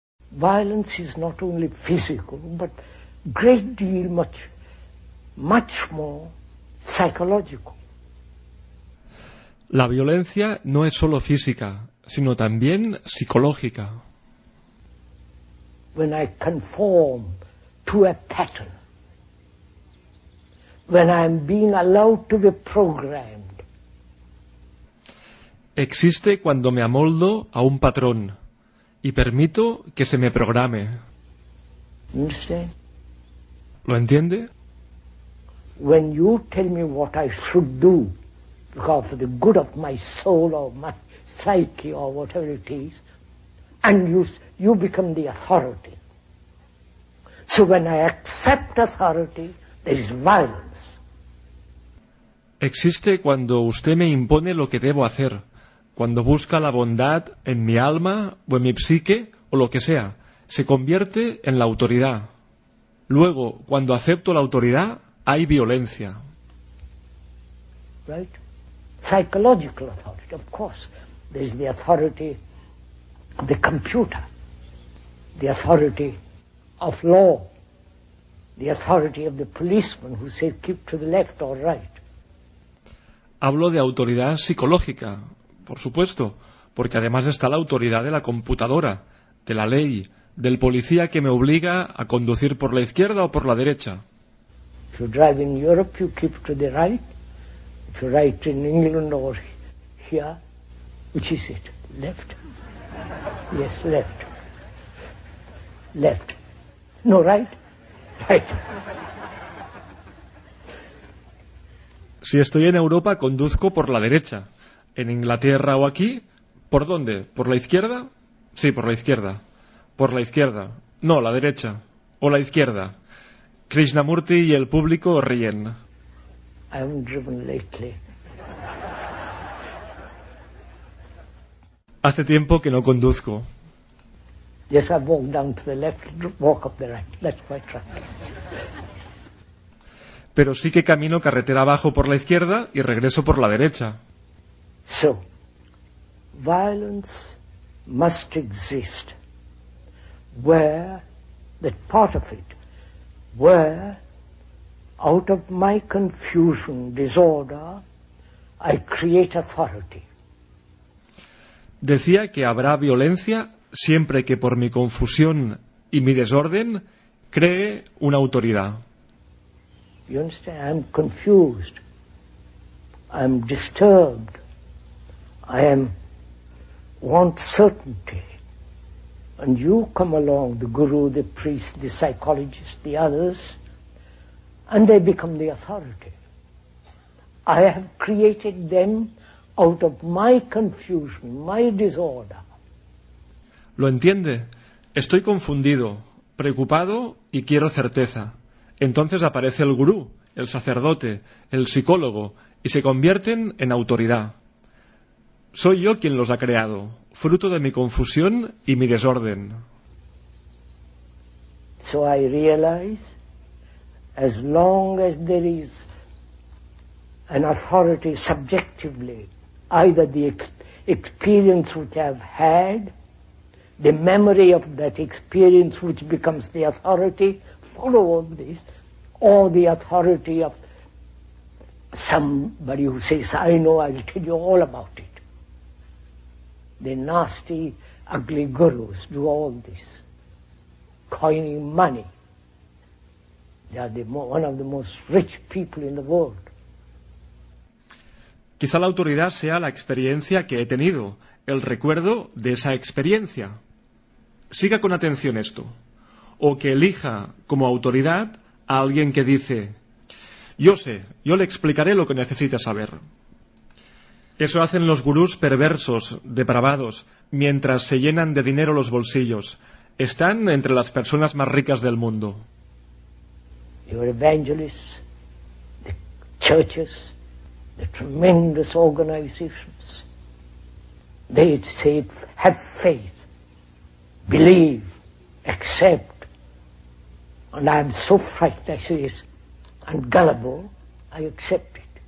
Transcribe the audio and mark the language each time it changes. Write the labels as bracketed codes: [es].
[en] violence is not only physical, but great deal much, much more psychological. [es] La violencia no es solo física, sino también psicológica. [en] When I conform to a pattern, when I am being allowed to be programmed. [es] Existe cuando me amoldo a un patrón y permito que se me programe. [en] Understand? [es] ¿Lo entiende? [en] When you tell me what I should do because for the good of my soul or my psyche or whatever it is, and you become the authority. So when I accept authority, there is violence. [es] Existe cuando usted me impone lo que debo hacer, cuando busca la bondad en mi alma o en mi psique o lo que sea, se convierte en la autoridad. Luego, cuando acepto la autoridad, hay violencia. [en] Right? Psychological authority, of course. There is the authority of the computer, the authority of law, the authority of the policeman who says keep to the left or right. [es] Hablo de autoridad psicológica, por supuesto, porque además está la autoridad de la computadora, de la ley, del policía que me obliga a conducir por la izquierda o por la derecha. [en] If you drive in Europe, you keep to the right. If you ride in England or here, which is it? Left? Yes, left. Left. No, right? Right. [es] Si estoy en Europa, conduzco por la derecha. En Inglaterra o aquí, ¿por dónde? ¿Por la izquierda? Sí, por la izquierda. Por la izquierda. No, la derecha. O la izquierda. Krishnamurti y el público ríen. [en] I haven't driven lately. [es] Hace tiempo que no conduzco. [en] Yes, I walk down to the left, walk up the right. That's quite right. [es] Pero sí que camino carretera abajo por la izquierda y regreso por la derecha. [en] So, violence must exist where that part of it, where out of my confusion, disorder, I create authority. [es] Decía que habrá violencia siempre que por mi confusión y mi desorden cree una autoridad. [en] You understand? I'm confused. I'm disturbed. I want certainty. And you come along, the guru, the priest, the psychologist, the others, and they become the authority. I have created them out of my confusion, my disorder. [es] ¿Lo entiende? Estoy confundido, preocupado y quiero certeza. Entonces aparece el gurú, el sacerdote, el psicólogo, y se convierten en autoridad. Soy yo quien los ha creado, fruto de mi confusión y mi desorden. [en] So I realize, as long as there is an authority subjectively, either the experience which I have had, the memory of that experience which becomes the authority, follow all this, or the authority of somebody who says, I know, I'll tell you all about it. The nasty, ugly gurus do all this, coining money. They are one of the most rich people in the world. [es] Quizá la autoridad sea la experiencia que he tenido, el recuerdo de esa experiencia. Siga con atención esto. O que elija como autoridad a alguien que dice, yo sé, yo le explicaré lo que necesita saber. Eso hacen los gurús perversos, depravados, mientras se llenan de dinero los bolsillos. Están entre las personas más ricas del mundo. [en] Your evangelists, the churches, the tremendous organizations, they say, have faith, believe, accept. And I am so frightened, I say, and gullible, I accept it.